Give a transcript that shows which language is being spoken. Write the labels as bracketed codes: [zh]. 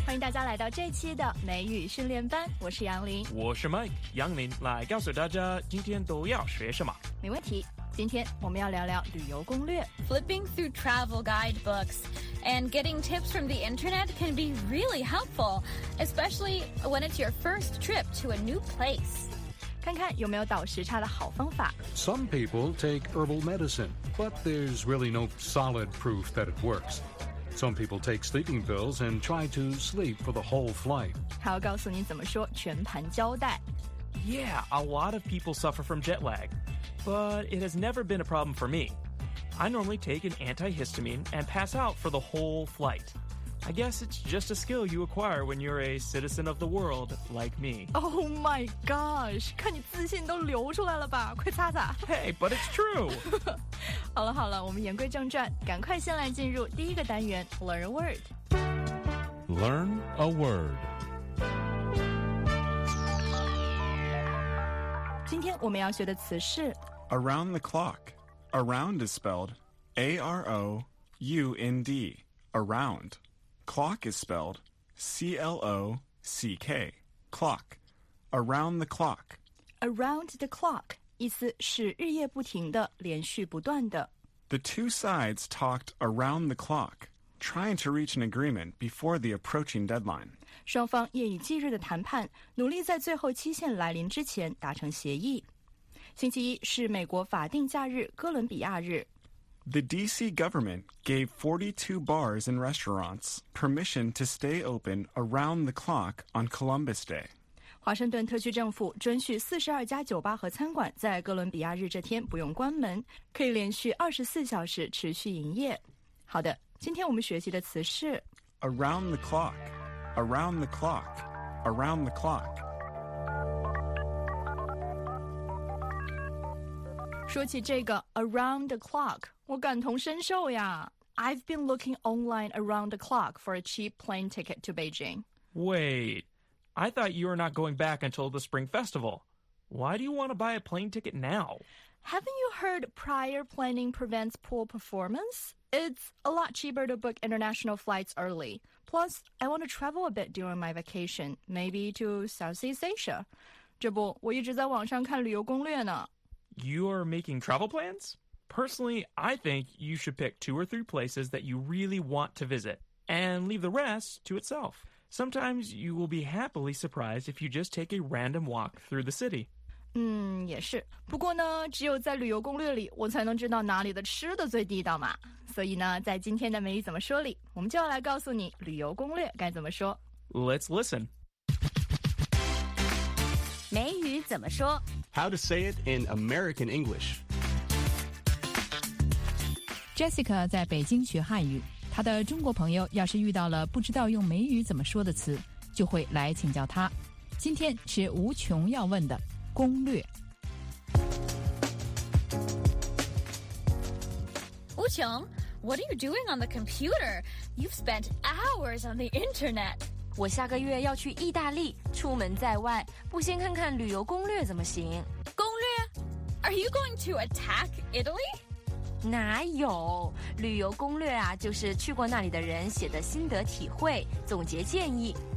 [zh] 家来到这期的美语训练班，我是杨林，我是 Mike， 杨林来告诉大家今天都要学什么。没问题，今天我们要聊聊旅游攻略。 [en] Flipping through travel guidebooks and getting tips from the internet can be really helpful, especially when it's your first trip to a new place. [zh] 看看有没有倒时差的好方法。 [en] Some people take herbal medicine, but there's really no solid proof that it works. Some people take sleeping pills and try to sleep for the whole flight. [zh] 还要告诉你怎么说全盘交代。 [en] Yeah, a lot of people suffer from jet lag, but it has never been a problem for me. I normally take an antihistamine and pass out for the whole flight. I guess it's just a skill you acquire when you're a citizen of the world, like me. Oh my gosh, [zh] 看你自信都流出来了吧，快擦擦。 [en] Hey, but it's true. [zh] 好了好了，我们言归正传，赶快先来进入第一个单元 [en] Learn a Word. Learn a Word. [zh] 今天我们要学的词是 [en] Around the clock. Around is spelled A-R-O-U-N-D. Around. Clock is spelled C-L-O-C-K. Clock. Around the clock. Around the clock. [zh] 意思是日夜不停的，连续不断的。 [en] The two sides talked around the clock, trying to reach an agreement before the approaching deadline. [zh] 双方夜以继日的谈判，努力在最后期限来临之前达成协议。星期一是美国法定假日哥伦比亚日。 [en] The D.C. government gave 42 bars and restaurants permission to stay open around the clock on Columbus Day. [zh] 华盛顿特区政府准许42家酒吧和餐馆在哥伦比亚日这天不用关门，可以连续24小时持续营业。好的，今天我们学习的词是 [en] Around the clock, around the clock, around the clock. [zh] 说起这个 [en] around the clock, [zh] 我感同身受呀。 [en] I've been looking online around the clock for a cheap plane ticket to Beijing. Wait, I thought you were not going back until the Spring Festival. Why do you want to buy a plane ticket now? Haven't you heard prior planning prevents poor performance? It's a lot cheaper to book international flights early. Plus, I want to travel a bit during my vacation, maybe to Southeast Asia. [zh] 这不，我一直在网上看旅游攻略呢。 [en] You are making travel plans? Personally, I think you should pick two or three places that you really want to visit and leave the rest to itself. Sometimes you will be happily surprised if you just take a random walk through the city. [zh] 也是。不过呢，只有在旅游攻略里，我才能知道哪里的吃的最地道嘛。所以呢，在今天的美语怎么说里，我们就要来告诉你旅游攻略该怎么说。 [en] Let's listen. [zh] 美语怎么说？ [en] How to say it in American English. [zh] Jessica 在北京学汉语，她的中国朋友要是遇到了不知道用美语怎么说的词，就会来请教她。今天是无穷要问的攻略。 [en] 无穷， What are you doing on the computer? You've spent hours on the internet. [zh] 我下个月要去意大利，出门在外，不先看看旅游攻略怎么行？ [en] 攻略？Are you going to attack Italy? [zh] 哪有？旅游攻略啊，就是去过那里的人写的心得体会，总结建议。